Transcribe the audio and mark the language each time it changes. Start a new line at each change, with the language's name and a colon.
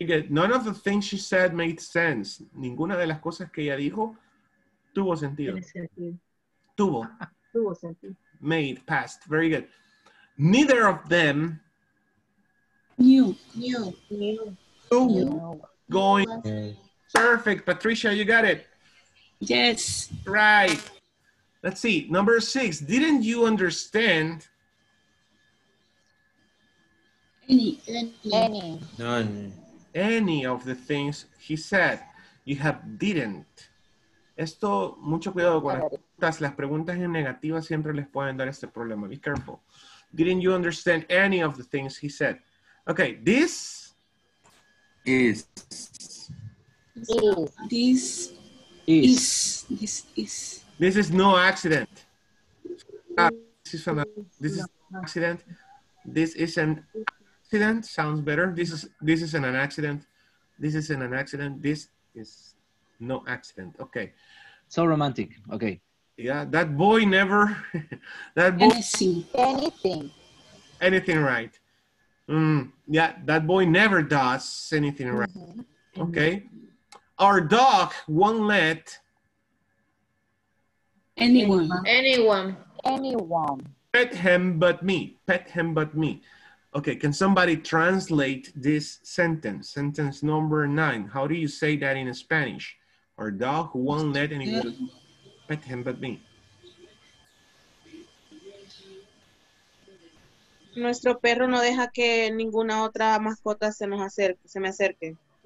English: None of the things she said made sense.
Spanish: Ninguna de las cosas que ella dijo tuvo sentido. Tuvo sentido.
English: Made, past. Very good. Neither of them knew. Going. Perfect. Patricia, you got it. Yes. Right. Let's see. Number six. Didn't you understand? Any of the things he said. You have didn't.
Spanish: Esto, mucho cuidado con las preguntas en negativa siempre les pueden dar este problema.
English: Be careful. Didn't you understand any of the things he said? Okay, this is. This is no accident. This is an accident. This is an accident. Sounds better. This isn't an accident. This isn't an accident. This is no accident. Okay. So romantic. Okay. Yeah, that boy never. That boy. Anything. Anything right. Yeah, that boy never does anything right. Mm-hmm. Okay. Our dog won't let anyone. Pet him but me. Okay, can somebody translate this sentence? Sentence number 9. How do you say that in Spanish? Our dog won't let anyone pet him but me.
Spanish: Nuestro perro no deja que ninguna otra mascota se le acerque.